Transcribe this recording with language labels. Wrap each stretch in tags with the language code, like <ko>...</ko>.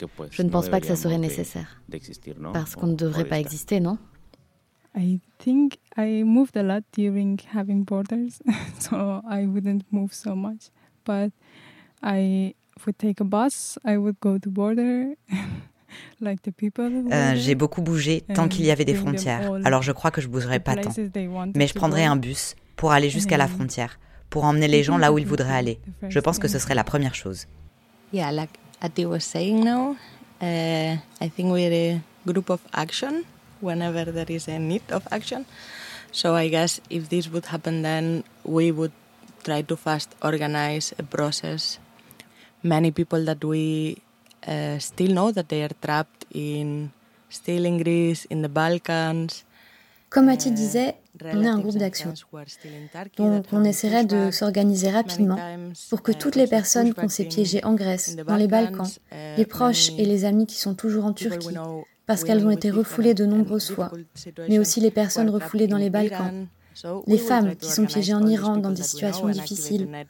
<fr>Je ne pense pas que ça serait nécessaire, parce qu'on ne devrait pas exister, non?</fr> <en>I think I moved a lot during having borders, so I wouldn't move so much. But I would take a bus, I would go to border, like the people.</en> <fr>J'ai beaucoup bougé tant qu'il y avait des frontières, alors je crois que je ne bougerai pas tant. Mais je prendrai un bus pour aller jusqu'à la frontière, pour emmener les gens là où ils voudraient aller. Je pense que ce serait la première chose.</fr> <en>Yeah, like Adi was saying now, I think we're a group of action whenever there is a need of action. So I guess if this would happen then, we would try to first organize a process. Many people that we still know that they are trapped in still in Greece, in the Balkans.</en> <fr>Comme Mathilde disait, on est un groupe d'action. Donc on essaierait de s'organiser rapidement pour que toutes les personnes qu'on s'est piégées en Grèce, dans les Balkans, les proches et les amis qui sont toujours en Turquie, parce qu'elles ont été refoulées de nombreuses fois, mais aussi les personnes refoulées dans les Balkans, les femmes qui sont piégées en Iran dans des situations difficiles.</fr>